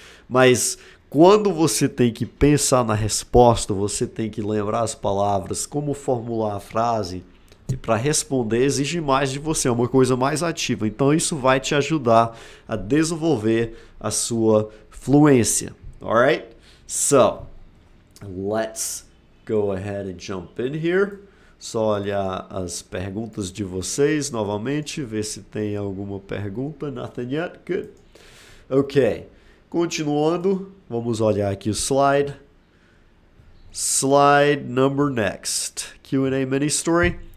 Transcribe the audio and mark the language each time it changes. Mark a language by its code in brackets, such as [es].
[pt] Mas quando você tem que pensar na resposta, você tem que lembrar as palavras, como formular a frase, e para responder exige mais de você, é uma coisa mais ativa. Então isso vai te ajudar a desenvolver a sua fluência. [en] Alright? So, let's go ahead and jump in here. [pt] Só olhar as perguntas de vocês novamente, ver se tem alguma pergunta. [en] Nothing yet? Good. Ok. [pt] Continuando, vamos olhar aqui o slide. [en] Slide number next. Q&A mini story.